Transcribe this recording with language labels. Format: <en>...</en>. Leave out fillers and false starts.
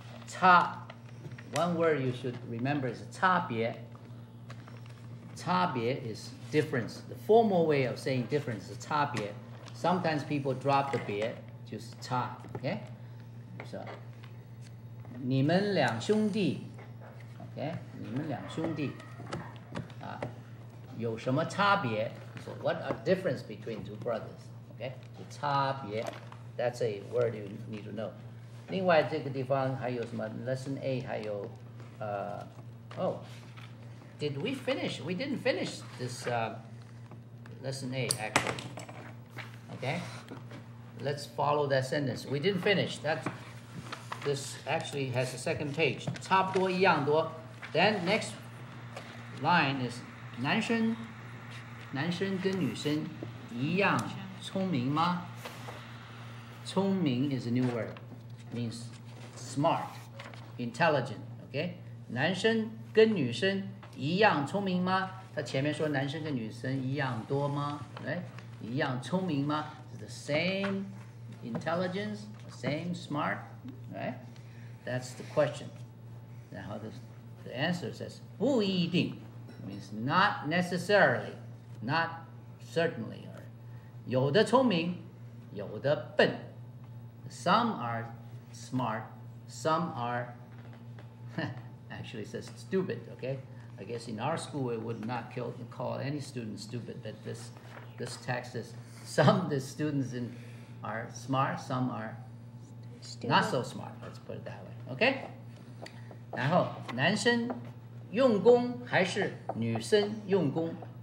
<en>差, one word you should remember is 差别. 差别 is difference. The formal way of saying difference is 差别. Sometimes people drop the 别, just 差, okay?</en> <zh>So, 你们两兄弟, okay? 你们两兄弟, 有什么差别?</zh> <en>So what are the difference between two brothers? Okay, 差别, that's a word you need to know.</en> <zh>另外这个地方还有什么?</zh> <en>Lesson A</en> <zh>还有,</zh> <en>oh, did we finish? We didn't finish this lesson A, actually. Okay, let's follow that sentence. We didn't finish. This actually has a second page.</en> <zh>差不多一样多.</zh> <en>Then next line is</en> <zh>男生跟女生一样聪明吗?</zh> <en>聪明 is a new word. Means smart, intelligent, okay?</en> <zh>男生跟女生一样聪明吗? 他前面说男生跟女生一样多吗? Right? 一样聪明吗?</zh> <en>It's the same intelligence, the same smart, right? That's the question. Now the answer says 不一定, means not necessarily, not certainly.</en> <zh>有的聪明,有的笨.</zh> <en>Some are smart, some are actually says stupid, okay? I guess in our school it would not call any student stupid, but this text says some of the students are smart, some are stupid. Not so smart, let's put it that way. Okay?</en> <zh>然后, 男生用功还是女生用功?</zh>